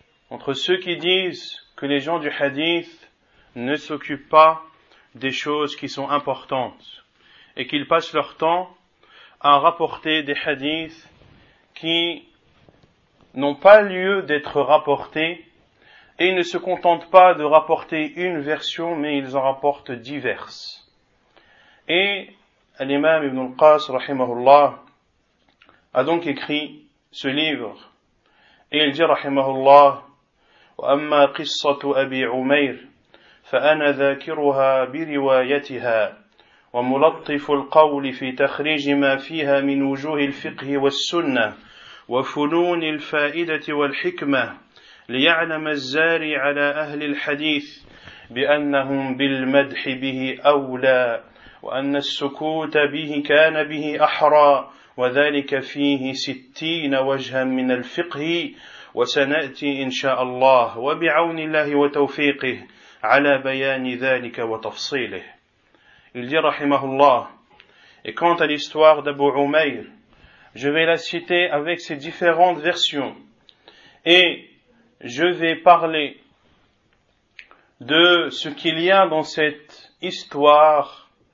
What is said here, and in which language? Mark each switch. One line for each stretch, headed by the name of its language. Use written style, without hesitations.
French: Entre ceux qui disent que les gens du hadith ne s'occupent pas des choses qui sont importantes et qu'ils passent leur temps à rapporter des hadiths qui n'ont pas lieu d'être rapportés. Et ils ne se contentent pas de rapporter une version, mais ils en rapportent diverses. Et l'imam Ibn al-Qas, rahimahullah, a donc écrit ce livre. Et il dit,
Arabic: rahimahullah, « وَأَمَّا قِصَّةُ أَبِي عُمَيْرٍ فَأَنَا ذَاكِرُهَا بِرِوَايَتِهَا وَمُلَطِّفُ الْقَوْلِ فِي تَخْرِيجِ مَا فِيهَا مِنْ وُجُوهِ الْفِقْهِ وَالسُّنَّةِ وَفُنُونِ الْفَائِدَةِ وَالْحِكْمَةِ ليعلم الزاري على أهل الحديث بأنهم بالمدح به أولى وأن السكوت به كان به أحرى وذلك فيه 60 وجها من الفقه وسنأتي إن شاء الله وبعون الله وتوفيقه على بيان ذلك وتفصيله.
French: Il dit
Arabic: رحمه الله:
French: Et quant à l'histoire d'Abu Umayr, je vais la citer avec ses différentes versions et je vais parler de ce qu'il y a dans cette histoire,